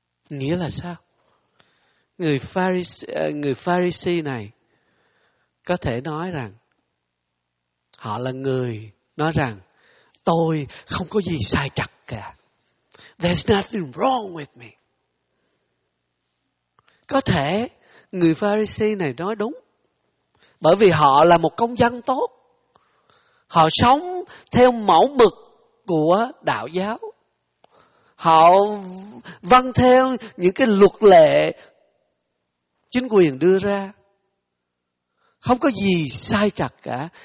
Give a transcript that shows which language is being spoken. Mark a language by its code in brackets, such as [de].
[vi] Nghĩa là sao? Người Pharisee này có thể nói rằng họ là người nói rằng tôi không có gì sai trật cả. [en] There's nothing wrong with me. [vi] Có thể người Pharisee này nói đúng, bởi vì họ là một công dân tốt, họ sống theo mẫu mực của đạo giáo, họ vâng theo những cái luật lệ chính quyền đưa ra, không có gì sai trật cả.